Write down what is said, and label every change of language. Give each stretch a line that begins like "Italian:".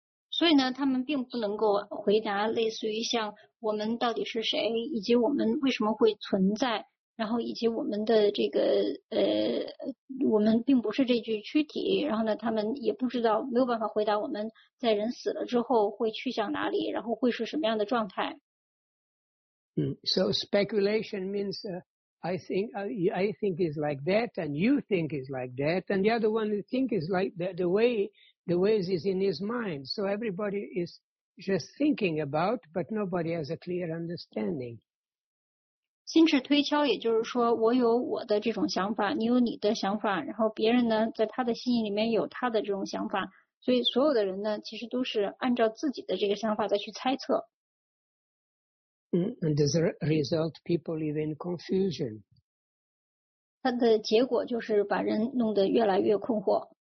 Chinese: 所以呢，他们并不能够回答类似于像我们到底是谁，以及我们为什么会存在，然后以及我们的这个我们并不是这具躯体。然后呢，他们也不知道，没有办法回答我们在人死了之后会去向哪里，然后会是什么样的状态。
English: So speculation means I think it's like that, and you think it's like that, and the other one think is like that, the way is in his mind. So everybody is just thinking about, but nobody has a clear understanding.
Chinese: 心智推敲也就是说，我有我的这种想法，你有你的想法，然后别人呢，在他的心里面有他的这种想法，所以所有的人呢，其实都是按照自己的这个想法再去猜测。
English: And as a result, people live in confusion.
Chinese: 它的结果就是把人弄得越来越困惑。